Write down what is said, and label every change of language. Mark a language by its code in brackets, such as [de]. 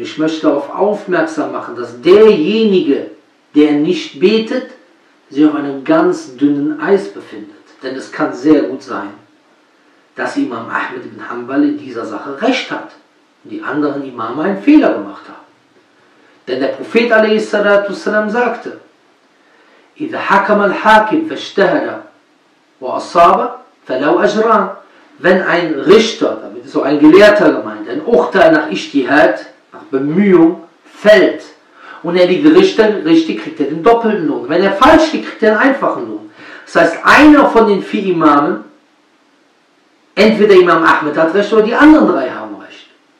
[de] Ich möchte darauf aufmerksam machen, dass derjenige, der nicht betet, sich auf einem ganz dünnen Eis befindet. Denn es kann sehr gut sein, dass Imam Ahmed ibn Hanbal in dieser Sache recht hat und die anderen Imame einen Fehler gemacht haben. Denn der Prophet a.s. [ar] sagte, إِذَا حَكَمَ الْحَاكِمْ فَاشْتَهَدَ وَأَصَابَ. [de] Wenn ein Richter, damit ist auch ein Gelehrter gemeint, ein Urteil nach Ijtihad, nach Bemühung, fällt und er die Gerichte richtig, kriegt er den doppelten Lohn. Wenn er falsch liegt, kriegt er den einfachen Lohn. Das heißt, einer von den vier Imamen, entweder Imam Ahmed hat recht oder die anderen drei haben recht.